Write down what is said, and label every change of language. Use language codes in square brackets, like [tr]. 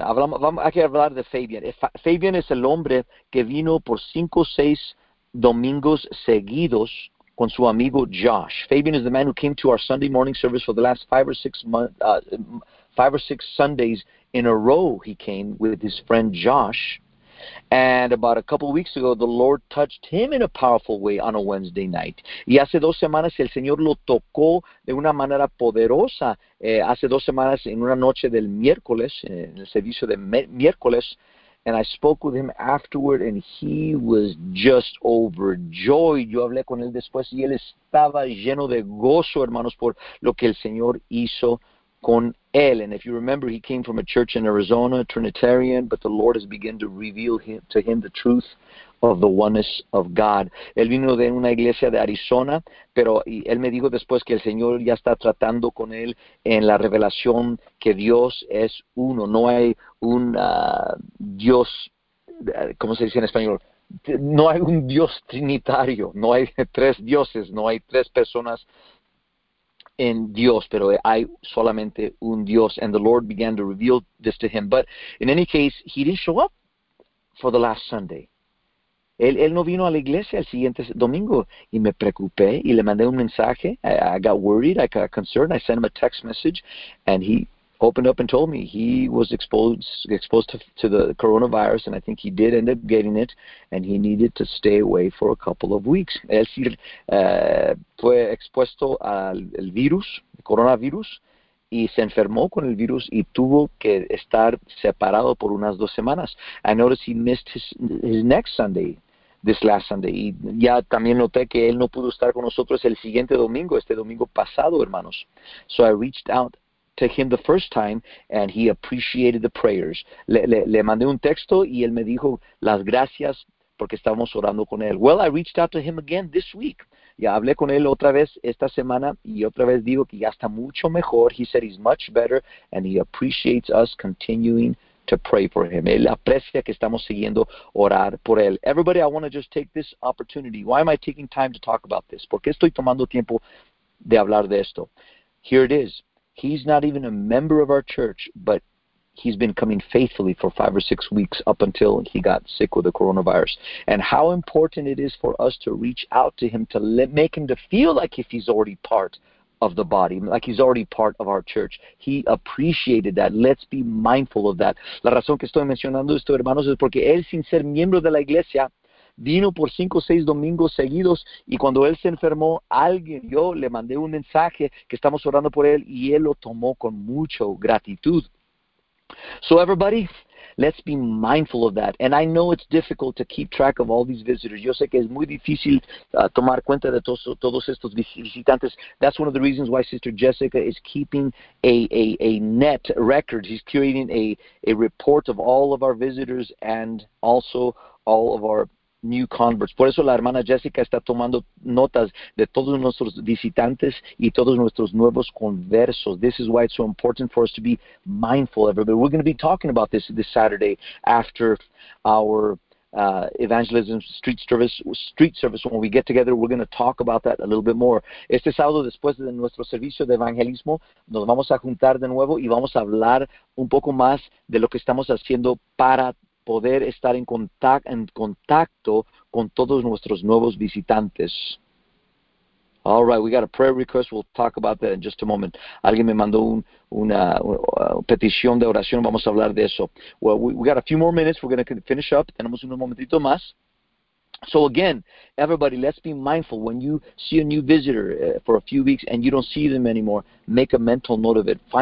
[es] Hay que hablar de Fabian. Fabian es el hombre que vino por 5 o 6 domingos seguidos con su amigo Josh. [en] Fabian is the man who came to our Sunday morning service for the last 5 or 6 months. 5 or 6 Sundays in a row, he came with his friend Josh. And about a couple of weeks ago, the Lord touched him in a powerful way on a Wednesday night. [es] Y hace 2 semanas el Señor lo tocó de una manera poderosa. Hace 2 semanas en una noche del miércoles, en el servicio de miércoles. [en] And I spoke with him afterward, and he was just overjoyed. [es] Yo hablé con él después y él estaba lleno de gozo, hermanos, por lo que el Señor hizo con él. [en] And if you remember, he came from a church in Arizona, Trinitarian, but the Lord has begun to reveal him, to him the truth of the oneness of God. [es] Él vino de una iglesia de Arizona, pero él me dijo después que el Señor ya está tratando con él en la revelación que Dios es uno. No hay un Dios, ¿cómo se dice en español? No hay un Dios trinitario, no hay tres dioses, no hay tres personas en Dios, pero hay solamente un Dios. [en] And the Lord began to reveal this to him. But in any case, he didn't show up for the last Sunday. [es] Él no vino a la iglesia el siguiente domingo. Y me preocupé y le mandé un mensaje. [en] I got worried, I got concerned. I sent him a text message and he opened up and told me he was exposed to the coronavirus, and I think he did end up getting it, and he needed to stay away for a couple of weeks. [es] Es decir, fue expuesto al el virus, el coronavirus, y se enfermó con el virus y tuvo que estar separado por unas 2 semanas. [en] I noticed he missed his next Sunday. This last Sunday. [es] Y ya también noté que él no pudo estar con nosotros el siguiente domingo, este domingo pasado, hermanos. [en] So I reached out to him the first time, and he appreciated the prayers. [es] Le mandé un texto y él me dijo las gracias porque estábamos orando con él. [en] Well, I reached out to him again this week. [es] Ya hablé con él otra vez esta semana y otra vez digo que ya está mucho mejor. [en] He said he's much better and he appreciates us continuing to pray for him. [es] Él aprecia que estamos siguiendo orar por él. [en] Everybody, I want to just take this opportunity. Why am I taking time to talk about this? [es] ¿Por qué estoy tomando tiempo de hablar de esto? [en] Here it is. He's not even a member of our church, but he's been coming faithfully for 5 or 6 weeks up until he got sick with the coronavirus. And how important it is for us to reach out to him to make him to feel like if he's already part of the body, like he's already part of our church. He appreciated that. Let's be mindful of that. [es] La razón que estoy mencionando esto, hermanos, es porque él, sin ser miembro de la iglesia, vino por 5 o 6 domingos seguidos y cuando él se enfermó, alguien, yo le mandé un mensaje que estamos orando por él y él lo tomó con mucha gratitud. [en] So everybody, let's be mindful of that. And I know it's difficult to keep track of all these visitors. [es] Yo sé que es muy difícil tomar cuenta de todos estos visitantes. [en] That's one of the reasons why Sister Jessica is keeping a net record. She's curating a report of all of our visitors and also all of our new converts. [es] Por eso la hermana Jessica está tomando notas de todos nuestros visitantes y todos nuestros nuevos conversos. [en] This is why it's so important for us to be mindful, everybody. We're going to be talking about this Saturday after our evangelism street service. When we get together, we're going to talk about that a little bit more. [es] Este sábado, después de nuestro servicio de evangelismo, nos vamos a juntar de nuevo y vamos a hablar un poco más de lo que estamos haciendo para poder estar en contacto con todos nuestros nuevos visitantes. [en] All right, we got a prayer request. We'll talk about that in just a moment. [es] Alguien me mandó una petición de oración. Vamos a hablar de eso. [en] Well, we got a few more minutes. We're going to finish up. [es] Tenemos un momentito más. [en] So again, everybody, let's be mindful. When you see a new visitor for a few weeks and you don't see them anymore, make a mental note of it.